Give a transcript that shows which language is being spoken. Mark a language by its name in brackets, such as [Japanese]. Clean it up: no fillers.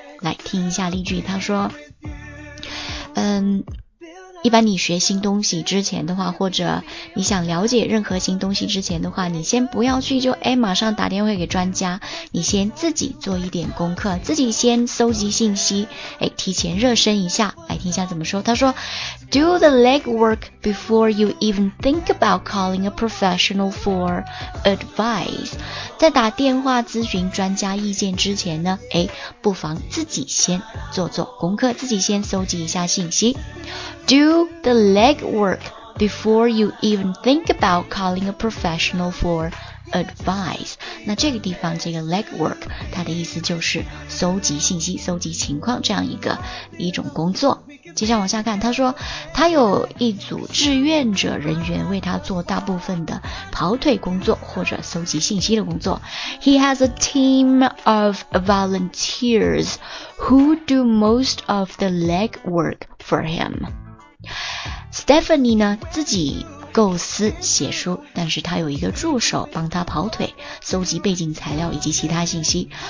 [Chinese] 来听一下例句，他说，一般你学新东西之前的话，或者你想了解任何新东西之前的话，你先不要去就马上打电话给专家，你先自己做一点功课，自己先搜集信息，提前热身一下。来听一下怎么说，他说 [English] Do the legwork before you even think about calling a professional for advice。 [Chinese] 在打电话咨询专家意见之前呢，不妨自己先做做功课，自己先搜集一下信息。 [English] Do the legwork before you even think about calling a professional for advice。 [Chinese] 那这个地方这个 legwork 它的意思就是搜集信息，搜集情况，这样一种工作。接下来往下看，他说他有一组志愿者人员为他做大部分的跑腿工作或者搜集信息的工作。 [English] He has a team of volunteers who do most of the legwork for him。 [Chinese] Stephanie 呢自己构思写书，但是他有一个助手帮他跑腿搜集背景材料以及其他信息。